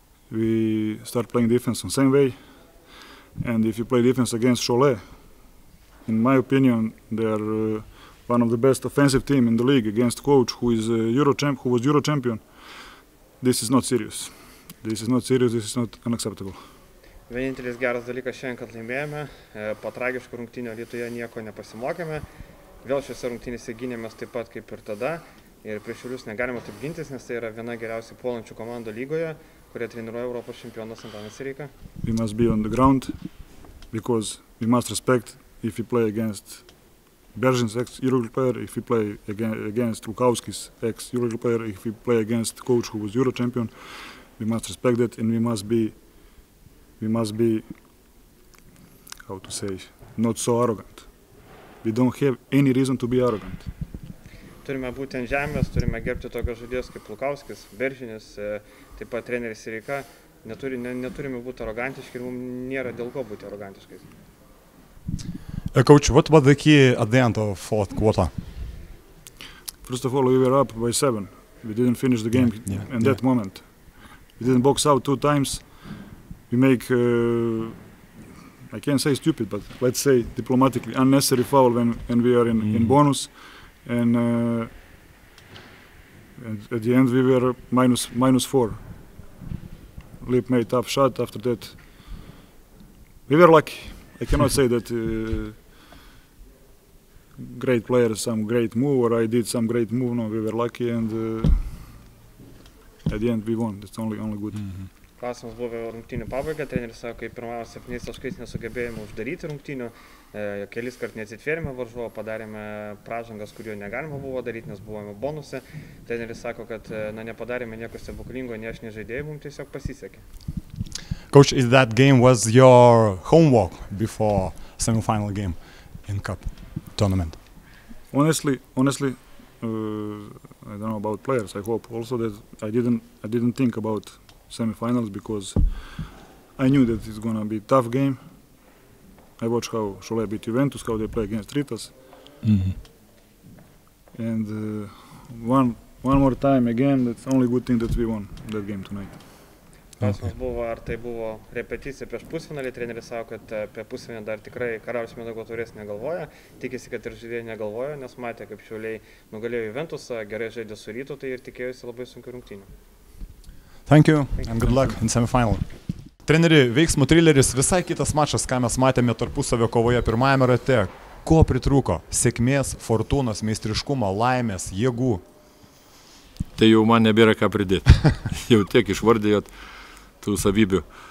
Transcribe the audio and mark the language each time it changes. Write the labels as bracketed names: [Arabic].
[English] We start playing defense the same way. And if you play defense against Cholet, in my opinion, they are one of the best offensive team in the league against coach who is Euro champion. This is not serious. This is not serious. This is not unacceptable. [Lithuanian] Vienintelis geras dalykas šiandien, kad laimėjome, po tragiškų rungtynių Alytuje nieko nepasimokėme. Vėl šiuose rungtynėse gynėmės taip pat kaip ir tada. Ir prieš Šiaulius negalima taip gintis, nes tai yra viena geriausiai puolančių komandų lygoje, kurie treniruoja Europos čempionas Antanas Sireika. [English] We must be on the ground, because we must respect if we play against Beržins ex-Euroleague player, if we play against Lukauskis ex-Euroleague player, if we play against coach who was Euro champion, we must respect that and we must be, how to say, not so arrogant. We don't have any reason to be arrogant. [Lithuanian] Turime būti ant žemės, turime gerbti tokios žaidėjus kaip Lukauskis, Beržinis, taip pat treneris Sireika. Neturime būti arogantiški ir mums nėra dėl ko būti arogantiškais. [English] Coach, what was the key at the end of fourth quarter? First of all, we were up by 7. We didn't finish the game that moment. We didn't box out 2 times. We make, I can't say stupid, but let's say diplomatically, unnecessary foul when we are in bonus. And at the end, we were minus 4. Lip made a tough shot after that. We were lucky. I cannot say that great player, some great move, or I did some great move. No, we were lucky, and at the end, we won. That's only good. Mm-hmm. [Lithuanian] Klausimas buvo rungtynių pabaiga. Treneris sako, kaip pirmavo 7 taškais nesugebėjome uždaryti rungtynių. Kelis kart neatsitvėrėme varžovo, padarėme pražangas, kurio negalima buvo daryti, nes buvome bonuse. Treneris sako, kad nepadarėme nieko stebuklingo, nei aš, nei žaidėjai, mums tiesiog pasisekė. [English] Coach, is that game was your homework before semifinal game in cup tournament? Honestly, I don't know about players. I hope also that I didn't think about semifinals, because I knew that it's gonna be a tough game. I watched how Cholet beat Juventus, how they play against Ritas. Mm-hmm. And one more time again, that's only good thing that we won that game tonight. [Lithuanian] Klausimas buvo, ar tai buvo repeticija prieš pusfinalį. Treneris sako, kad apie pusfinalį dar tikrai Karalius Mindaugo Taurės negalvoja. Tikisi, kad ir žaidėjai negalvojo, nes matė, kaip Šiauliai nugalėjo Juventusą, gerai žaidė su Rytu, tai ir tikėjosi labai sunkių rungtynių. [English] Thank you and good luck in semifinal. [Lithuanian] Treneri, veiksmų trileris, visai kitas mačas, ką mes matėme tarpusavio kovoje pirmajame rate. Ko pritrūko? Sėkmės, fortūnos, meistriškumo, laimės, jėgų? Tai jau man nebėra ką pridėti. Jau tiek išvardėjot tų savybių.